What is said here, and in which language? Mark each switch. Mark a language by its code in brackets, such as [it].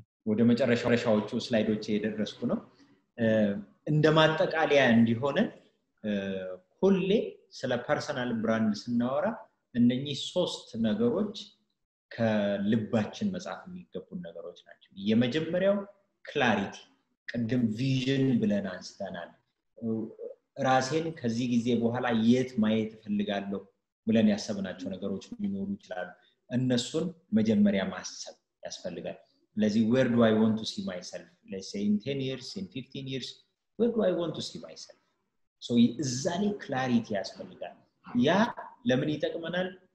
[am] ወደ መጨረሻዎቹ ስላይዶች እየደረስኩ ነው። እንደ ማጠቃለያ እንዲሆን ሁሌ ስለ ፐርሰናል ብራንድ ስናወራ እነኚህ ሶስት ነገሮች ከልባችን መጻፍ የሚገቡ ነገሮች ናቸው። የመጀመሪያው ክላሪቲ፣ ቅድም ቪዥን ብለን አንስተናል። ራሴን ከዚህ ጊዜ በኋላ የት ማየት ፈልጋለሁ ብለን ያሰብናቸው ነገሮች ሊኖሩ ይችላሉ። እነሱን መጀመሪያ ማሰብ ያስፈልጋል። ለዚህ [en] where do I want to see myself? Let's say in 10 years, in 15 years, where do I want to see myself? So exactly clarity [am] ያስፈልጋል። ያ ለምን ይጠቅመናል?